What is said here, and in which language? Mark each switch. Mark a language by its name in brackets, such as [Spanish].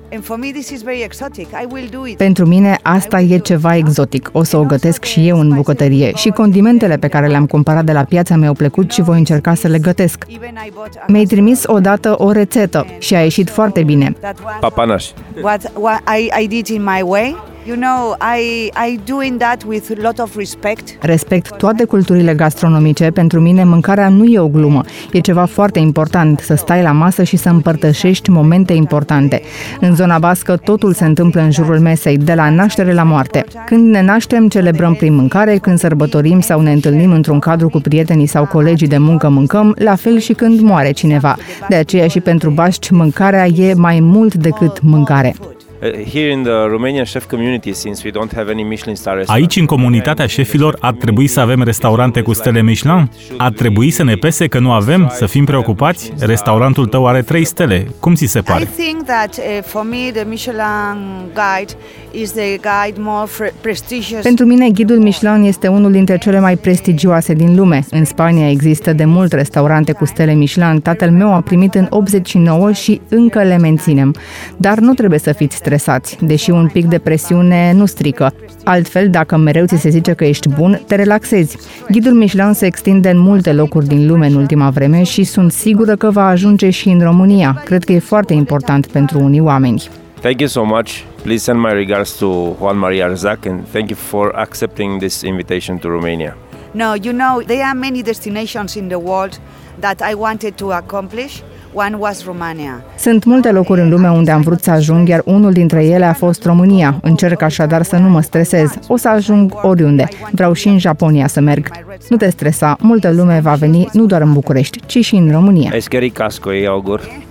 [English] And for me this is very exotic. I will do it. [Romanian] Pentru mine asta e ceva exotic. O să o gătesc și eu în bucătărie. Și condimentele pe care le-am cumpărat de la piața mi-au plăcut și voi încerca să le gătesc. Mi-ai trimis odată o rețetă și a ieșit foarte bine. Papanaș. [English] What I did in my way. You know, I doing that with a lot of respect. [Romanian] Respect toate culturile gastronomice. Pentru mine mâncarea nu e o glumă. E ceva foarte important să stai la masă și să împărtășești momente importante. În zona bască totul se întâmplă în jurul mesei, de la naștere la moarte. Când ne naștem, celebrăm prin mâncare, când sărbătorim sau ne întâlnim într-un cadru cu prietenii sau colegii de muncă, mâncăm, la fel și când moare cineva. De aceea și pentru bașci, mâncarea e mai mult decât mâncare. [English] Here in the Romanian chef community, since we don't have any Michelin star restaurant. [Romanian] Aici în comunitatea șefilor ar trebui să avem restaurante cu stele Michelin? Ar trebui să ne pese că nu avem, să fim preocupați? Restaurantul tău are 3 stele. Cum ți se pare? [English] I think that for me the Michelin guide is the guide more prestigious. [Romanian] Pentru mine ghidul Michelin este unul dintre cele mai prestigioase din lume. În Spania există de mult restaurante cu stele Michelin. Tatăl meu a primit în 89 și încă le menținem. Dar nu trebuie să fiți stresați, deși un pic de presiune nu strică. Altfel, dacă mereu ți se zice că ești bun, te relaxezi. Ghidul Michelin se extinde în multe locuri din lume în ultima vreme și sunt sigură că va ajunge și în România. Cred că e foarte important pentru unii oameni. [English] Thank you so much. Please send my regards to Juan Maria Arzac and thank you for accepting this invitation to Romania. No, you know, there are many destinations in the world that I wanted to accomplish. One was Romania. [Romanian] Sunt multe locuri în lume unde am vrut să ajung, iar unul dintre ele a fost România. Încerc așadar să nu mă stresez. O să ajung oriunde. Vreau și în Japonia să merg. Nu te stresa, multă lume va veni nu doar în București, ci și în România. [Basque] Eskerrik asko, augur.